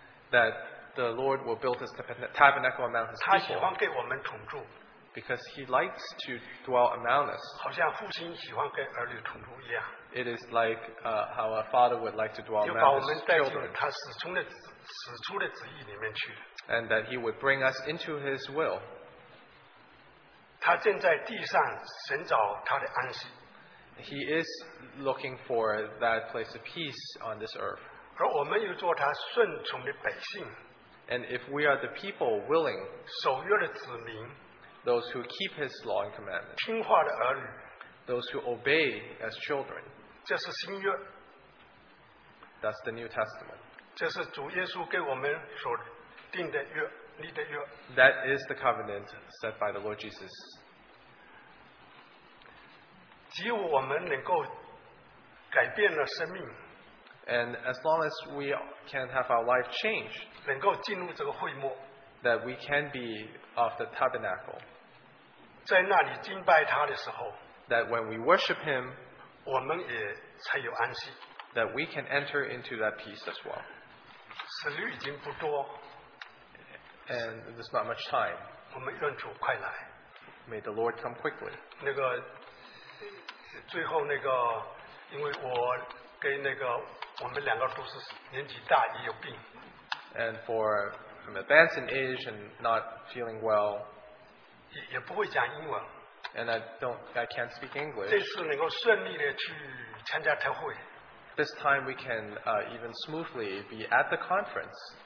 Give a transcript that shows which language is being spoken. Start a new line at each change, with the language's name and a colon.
English: that the Lord will build his tabernacle among his people,
Chinese: 他喜欢给我们同住,
English: because he likes to dwell among us.
Chinese: 好像父亲喜欢给儿女同住一样,
English: it is like how a father would like to dwell among his children,
Chinese: 始初的旨意里面去,
English: and that he would bring us into his will.
Chinese: 他正在地上寻找他的安息,
English: he is looking for that place of peace on this earth. And if we are the people willing,
Chinese: 守约的子民,
English: those who keep his law and commandments,
Chinese: 听话的儿女,
English: those who obey as children,
Chinese: 这是新约,
English: that's the New Testament.
Chinese: 这是主耶稣给我们所定的约,
English: that is the covenant set by the Lord Jesus.
Chinese: 只有我们能够改变了生命,
English: and as long as we can have our life changed,
Chinese: 能够进入这个会幕,
English: that we can be of the tabernacle,
Chinese: 在那里敬拜他的时候,
English: that when we worship him,
Chinese: 我们也才有安息,
English: that we can enter into that peace as well.
Chinese: 时日已经不多,
English: and there's not much time.
Chinese: 我们愿主快来,
English: may the Lord come quickly.
Chinese: 最后那个, 因为我跟那个, 我们两个都是年纪大, 也有病,
English: and for I'm advanced in age and not feeling well,
Chinese: 也不会讲英文,
English: and I can't speak English.
Chinese: 这次能够顺利地去参加特会,
English: this time we can even smoothly be at the conference.